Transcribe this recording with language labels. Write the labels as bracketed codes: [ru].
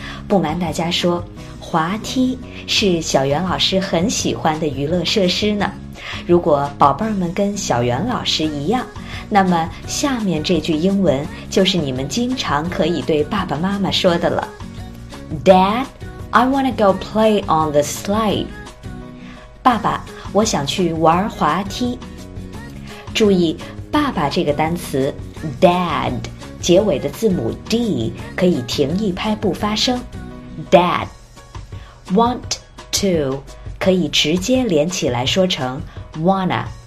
[zh] 不瞒大家说，滑梯是小袁老师很喜欢的娱乐设施呢。如果宝贝儿们跟小袁老师一样，那么下面这句英文就是你们经常可以对爸爸妈妈说的了。 [en] Dad, I want to go play on the slide. [zh] 爸爸，我想去玩滑梯。注意爸爸这个单词 Dad 结尾的字母 D 可以停一拍不发声。 [en] Dad want to [zh] 可以直接连起来说成 wanna。